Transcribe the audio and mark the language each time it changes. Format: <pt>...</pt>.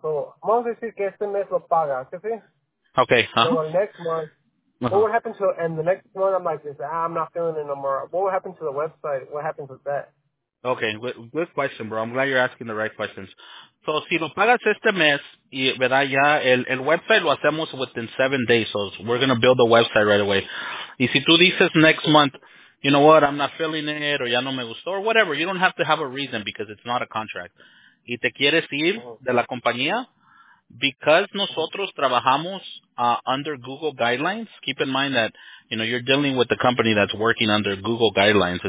<es>So, vamos a decir que este mes lo paga, ¿sí?</es> <en>Okay. So next month, what would happen to, and the next month I'm like, I'm not feeling it no more. What would happen to the website? What happens with that? Okay, good question, bro. I'm glad you're asking the right questions.</en> <es>So, si lo pagas este mes, y, ¿verdad? Ya el website lo hacemos</es> <en>within 7 days, so we're going to build the website right away.</en> <es>Y si tú dices</es> <en>next month, you know what, I'm not feeling it, or</en> <es>ya no me gustó,</es> <en>or whatever, you don't have to have a reason because it's not a contract.</en> <es>Y te quieres ir de la compañía,</es> <en>because</en> <es>nosotros trabajamos</es> <en>under Google guidelines, keep in mind that, you know, you're dealing with a company that's working under Google guidelines.</en>